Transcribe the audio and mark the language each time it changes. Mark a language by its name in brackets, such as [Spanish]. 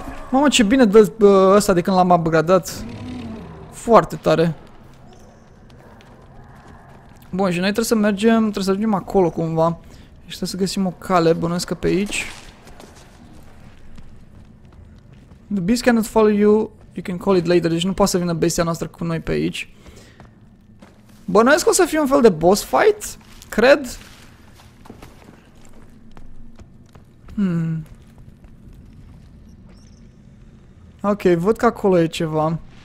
[Romanian] Mamă, ce bine dă ăsta de când l-am upgradat. Foarte tare. Bun, și noi trebuie să ajungem acolo cumva. Și trebuie să găsim o cale, bănuiesc că pe aici. [English] The beast cannot follow you, you can call it later. [Romanian] Deci nu poate să vină bestia noastră cu noi pe aici. Bănuiesc că o să fie un fel de boss fight? Cred. Ok, văd că acolo e ceva.